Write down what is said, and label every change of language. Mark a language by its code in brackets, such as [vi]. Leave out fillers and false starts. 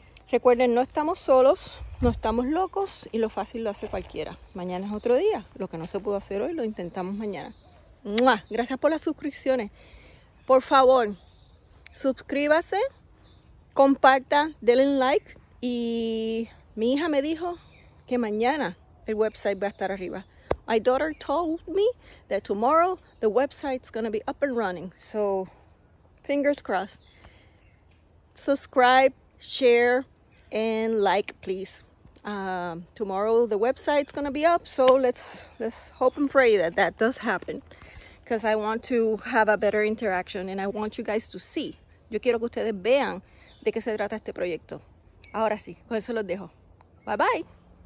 [es] Recuerden, no estamos solos, no estamos locos y lo fácil lo hace cualquiera. Mañana es otro día. Lo que no se pudo hacer hoy, lo intentamos mañana. ¡Mua! Gracias por las suscripciones. Por favor, suscríbase, comparta, denle like. Y mi hija me dijo que mañana el website va a estar arriba. [en] My daughter told me that tomorrow the website's going to be up and running. So, fingers crossed. Subscribe, share, and like, please. Tomorrow the website's going to be up. So, let's hope and pray that that does happen. Because I want to have a better interaction and I want you guys to see. [es] Yo quiero que ustedes vean de qué se trata este proyecto. Ahora sí, con eso los dejo. Bye bye.